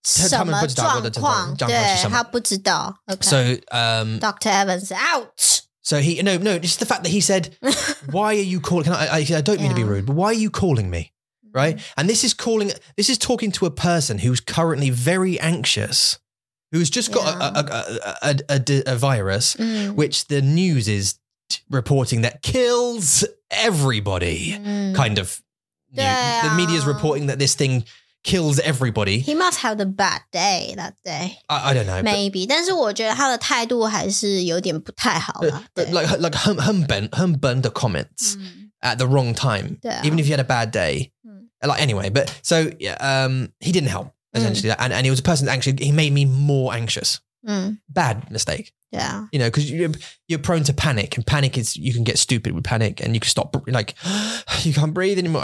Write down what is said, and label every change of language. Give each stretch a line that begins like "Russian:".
Chinese: 他们不知道我的状况，对，他不知道。
English: Okay. So, Dr. Evans out. So he no, just the fact that he said, "Why are you calling?" I don't mean to be rude, but why are you calling me? Right, and this is calling. This is talking to a person who's currently very anxious, who's just got a virus, which the news is reporting that kills everybody. Kind of, the media is reporting that this thing. Kills everybody. He must have the bad day that day. I don't know. Maybe.
Chinese: 但是我觉得他的态度还是有点不太好。
English: Like 很笨 的 comments at the wrong time. Even if you had a bad day. Like anyway, but so he didn't help essentially. And he was a person that actually, he made me more anxious. Bad mistake. Yeah. You know, because you're prone to panic and panic is, you can get stupid with panic and you can stop, like, you can't breathe anymore.